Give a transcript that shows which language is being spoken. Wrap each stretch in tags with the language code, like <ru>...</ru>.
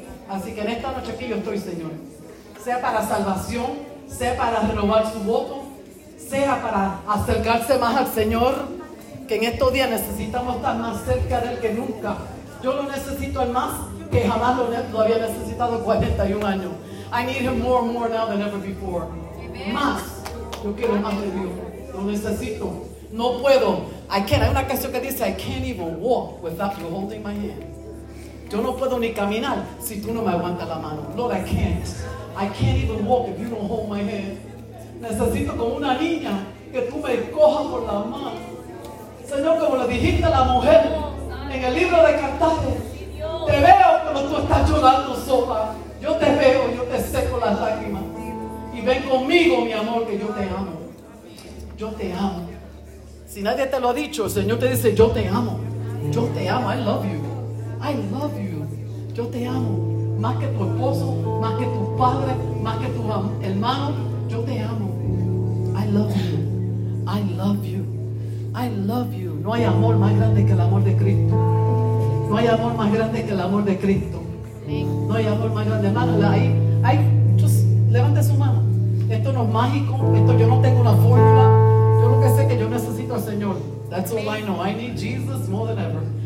<es>Así que en esta noche aquí yo estoy, Señor. Sea para salvación, sea para renovar su voto, sea para acercarse más al Señor. Que en estos días necesitamos estar más cerca de Él que nunca. Yo lo necesito el más que jamás lo había necesitado en 41 años.</es> <en>I need him more and more now than ever before.</en> <es>Más. Yo quiero más de Dios. Lo necesito. No puedo.</es> <en>I can't.</en> <es>Hay una canción que dice,</es> <en>I can't even walk without you holding my hand.</en> <es>Yo no puedo ni caminar si tú no me aguantas la mano.</es> <en>Lord, I can't. I can't even walk if you don't hold my hand.</en> <es>Necesito como una niña que tú me cojas por la mano. Señor, como le dijiste a la mujer en el libro de Cantares, te veo cuando tú estás llorando sola. Yo te veo, yo te seco las lágrimas. Y ven conmigo, mi amor, que yo te amo. Yo te amo. Si nadie te lo ha dicho, el Señor te dice, yo te amo. Yo te amo,</es> <en>I love you. I love you.</en> <es>Yo te amo. Más que tu esposo, más que tu padre, más que tu hermano, yo te amo.</es> <en>I love you. I love you.</en> <es>I love you. No hay amor más grande que el amor de Cristo. No hay amor más grande que el amor de Cristo. No hay amor más grande. Hermano, ahí, just levante su mano. Esto no es mágico. Esto yo no tengo una fórmula. Yo lo que sé es que yo necesito al Señor.</es> <en>That's all I know. I need Jesus more than ever.</en>